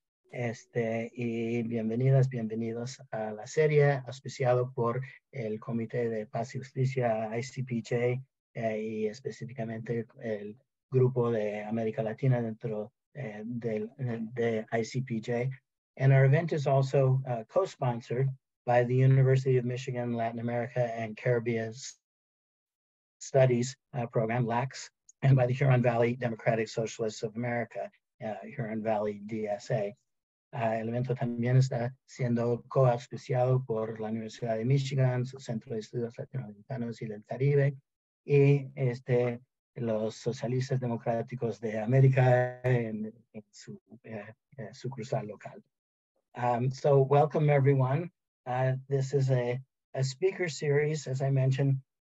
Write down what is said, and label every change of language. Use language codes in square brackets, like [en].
[es] Este y bienvenidas, bienvenidos a la serie auspiciado por el Comité de Paz y Justicia ICPJ y específicamente el grupo de América Latina dentro de ICPJ. [en] And our event is also co-sponsored by the University of Michigan Latin America and Caribbean Studies Program, LACS, and by the Huron Valley Democratic Socialists of America, Huron Valley DSA. [es] El evento también está siendo co-auspiciado por la Universidad de Michigan, su Centro de Estudios Latinoamericanos y del Caribe, y este, los Socialistas Democráticos de América en su, su cruzal local. [en] So welcome everyone. This is a speaker series, as I mentioned.